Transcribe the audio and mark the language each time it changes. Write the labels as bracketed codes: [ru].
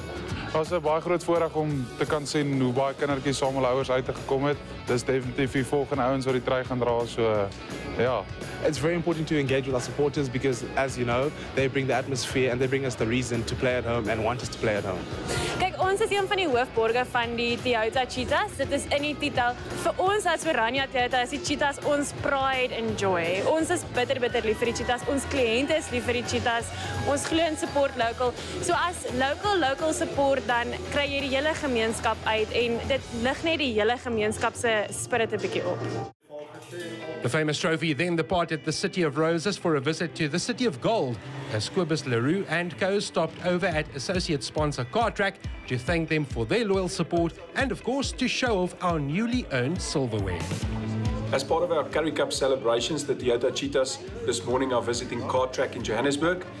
[af] Het was een baie groot voorreg om te kan sien hoe baie kindertjies saam hulle ouers uitgekom het. Dis definitief die volgende ouens wat die trui gaan dra, so ja. [en] It's very important to engage with our supporters because, as you know, they bring the atmosphere and they bring us the reason to play at home and want us to play at home. [af] Kijk, ons is een van die hoofborge van die Toyota Cheetahs. Dit is in die titel. Vir ons as Orania Toyota is die Cheetahs ons [en] pride and joy. [af] Ons is bitter, bitter lief vir die Cheetahs. Ons kliënte is lief vir die Cheetahs. Ons glo in [en] support local. So as local, local support, [af] dan kry jy die hele gemeenskap uit en dit lig net die hele gemeenskap se spirit 'n bietjie op. [en] The famous trophy then departed the City of Roses for a visit to the City of Gold, as Quibus LaRue and co. stopped over at associate sponsor Cartrack to thank them for their loyal support and, of course, to show off our newly earned silverware. As part of our Curry Cup celebrations, the Toyota Cheetahs this morning are visiting Cartrack in Johannesburg.